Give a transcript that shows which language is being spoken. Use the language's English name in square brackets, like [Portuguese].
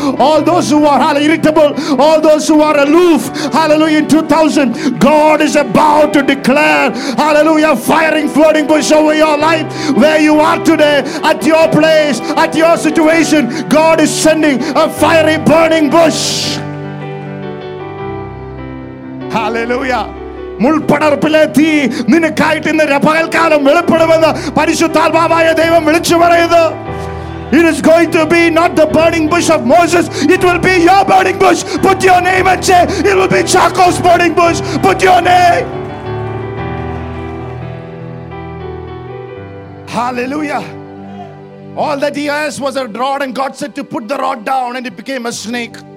[English] All those who are irritable, all those who are aloof, hallelujah, in 2000, God is about to declare, hallelujah, fiery burning bush over your life. Where you are today, at your place, at your situation, God is sending a fiery burning bush. Hallelujah. [Malayalam] മുൾപ്പടർപ്പിലെ തീ നിനക്കായിട്ട് ഇന്ന് പകൽക്കാലം വെളിപ്പെടുമെന്ന് പരിശുദ്ധാത്മാവായ ദൈവം വിളിച്ചു പറയുന്നു. [English] It is going to be not the burning bush of Moses. It will be your burning bush. Put your name and say, it will be Jacob's burning bush. Put your name. Hallelujah. All that he asked was a rod, and God said to put the rod down, and it became a snake.